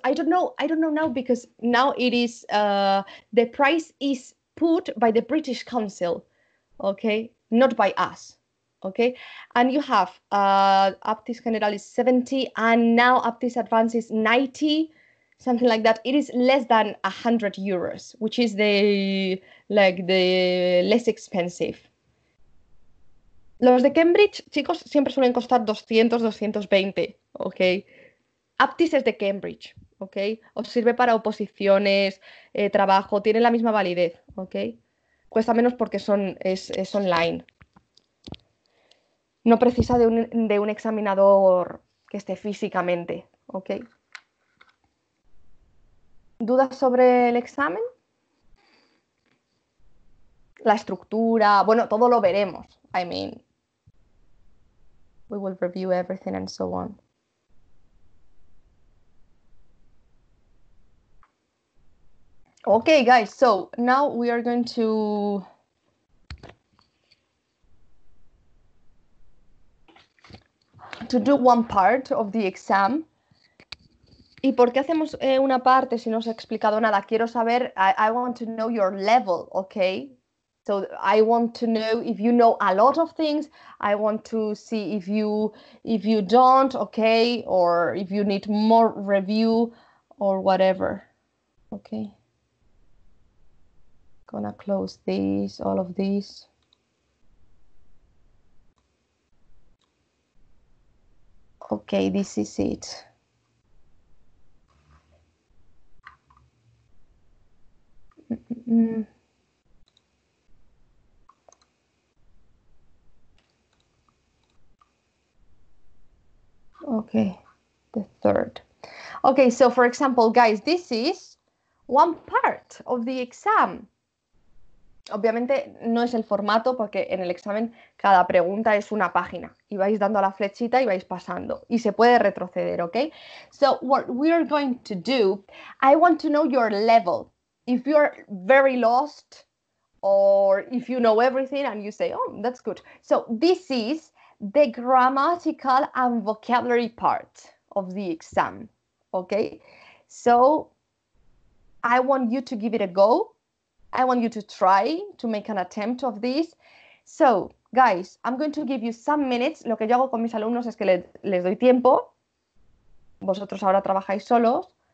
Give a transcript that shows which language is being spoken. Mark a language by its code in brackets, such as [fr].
[en] I don't know now, because now it is the price is put by the British Council, okay, not by us, okay. And you have APTIS general is 70, and now APTIS advance is 90, something like that. It is less than 100 euros, which is the less expensive. [es] Los de Cambridge, chicos, siempre suelen costar 200-220, ¿ok? APTIS es de Cambridge, ¿ok? Os sirve para oposiciones, trabajo, tiene la misma validez, ¿ok? Cuesta menos porque es online. No precisa de un examinador que esté físicamente, ¿ok? ¿Dudas sobre el examen? La estructura, bueno, todo lo veremos, [en] I mean... We will review everything and so on. Okay, guys, so now we are going to... to do one part of the exam. [es] ¿Y por qué hacemos una parte si no os he explicado nada? Quiero saber, [en] I want to know your level, okay? So I want to know if you know a lot of things. I want to see if you don't, okay, or if you need more review or whatever. Okay. Gonna close these, all of these. Okay, this is it. Okay, the third. Okay, so for example, guys, this is one part of the exam. [es] Obviamente no es el formato, porque en el examen cada pregunta es una página y vais dando a la flechita y vais pasando y se puede retroceder, okay? [en] So what we are going to do, I want to know your level. If you are very lost or if you know everything and you say, oh, that's good. So this is the grammatical and vocabulary part of the exam, okay? So I want you to give it a go. I want you to try to make an attempt of this. So, guys, I'm going to give you some minutes. [es] Lo que yo hago con mis alumnos es que les doy tiempo. Vosotros ahora trabajáis solos.